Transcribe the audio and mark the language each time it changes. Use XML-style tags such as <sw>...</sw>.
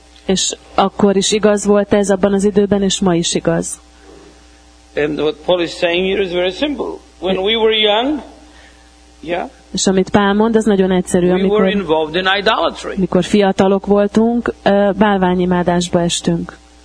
<hu>És akkor is igaz volt ez abban az időben, és ma is igaz.</hu> <en>And what Paul is saying here is very simple. When we were young, Yeah.</en> <hu>És amit Pál mond, az nagyon egyszerű, amikor fiatalok voltunk, bálványimádásba estünk.</hu>